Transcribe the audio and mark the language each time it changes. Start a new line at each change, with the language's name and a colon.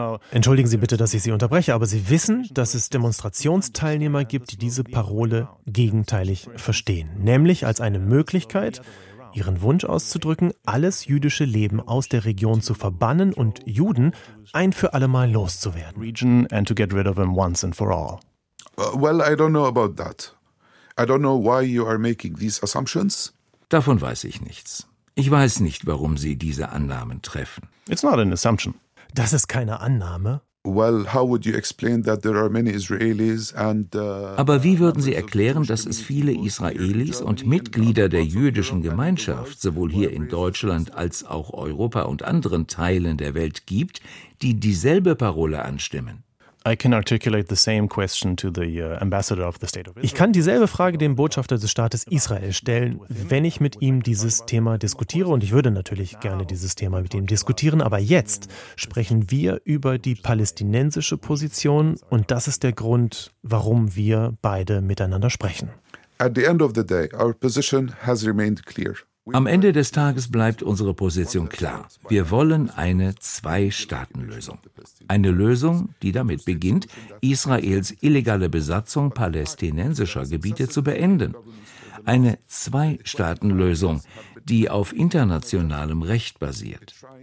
German: Entschuldigen Sie bitte, dass ich Sie unterbreche, aber Sie wissen, dass es Demonstrationsteilnehmer gibt, die diese Parole gegenteilig verstehen, nämlich als eine Möglichkeit, ihren Wunsch auszudrücken, alles jüdische Leben aus der Region zu verbannen und Juden ein für alle Mal loszuwerden.
English: Region and to get rid of them once and for all. Well, I don't know about that. I don't know why you are making these assumptions.
German: Davon weiß ich nichts. Ich weiß nicht, warum Sie diese Annahmen treffen.
English: It's not an assumption.
German: Das ist keine Annahme.
English: Well, how would you explain that there are many Israelis and
German: Aber wie würden Sie erklären, dass es viele Israelis und Mitglieder der jüdischen Gemeinschaft sowohl hier in Deutschland als auch Europa und anderen Teilen der Welt gibt, die dieselbe Parole anstimmen?
English: I can articulate the same question to the ambassador of the state of Israel.
German: Ich kann dieselbe Frage dem Botschafter des Staates Israel stellen, wenn ich mit ihm dieses Thema diskutiere. Und ich würde natürlich gerne dieses Thema mit ihm diskutieren. Aber jetzt sprechen wir über die palästinensische Position. Und das ist der Grund, warum wir beide miteinander sprechen.
English: At the end of the day, our position has remained clear.
German: Am Ende des Tages bleibt unsere Position klar. Wir wollen eine Zwei-Staaten-Lösung. Eine Lösung, die damit beginnt, Israels illegale Besatzung palästinensischer Gebiete zu beenden. Eine Zwei-Staaten-Lösung, die auf internationalem Recht basiert.